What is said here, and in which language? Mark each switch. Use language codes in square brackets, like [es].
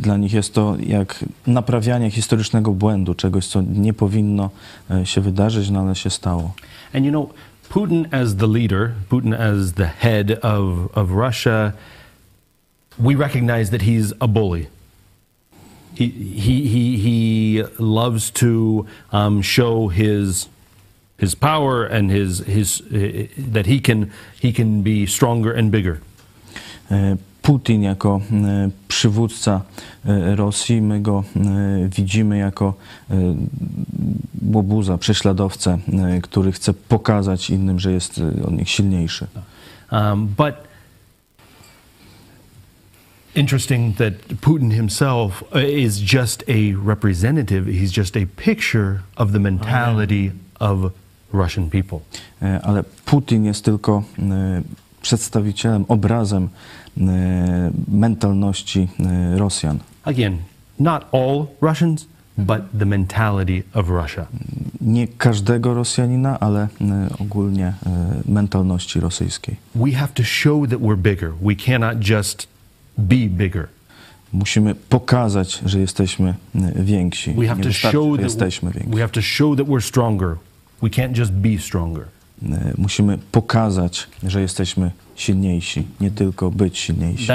[pl] Dla nich jest to jak naprawianie historycznego błędu, czegoś, co nie powinno się wydarzyć, no ale się stało. [en] And you know, Putin as the leader, Putin as the head of Russia, we recognize that he's a bully. He loves to show his power and his that he can be stronger and bigger. [pl] Putin jako przywódca Rosji, my go widzimy jako łobuza, prześladowcę, który chce pokazać innym, że jest od nich silniejszy. [en] But interesting that Putin himself is just a representative, he's just a picture of the mentality of Russian people. [pl] Ale Putin jest tylko przedstawicielem, obrazem mentalności Rosjan. [en] Again, not all Russians, but the mentality of Russia. [pl] Nie każdego Rosjanina, ale ogólnie mentalności rosyjskiej. [en] We have to show that we're bigger. We cannot just be bigger. [pl] Musimy pokazać, że jesteśmy więksi. [en] We have to show that [pl] jesteśmy więksi. [en] We have to show that we're stronger. We can't just be stronger. [pl] Musimy pokazać, że jesteśmy silniejsi, nie tylko być silniejsi.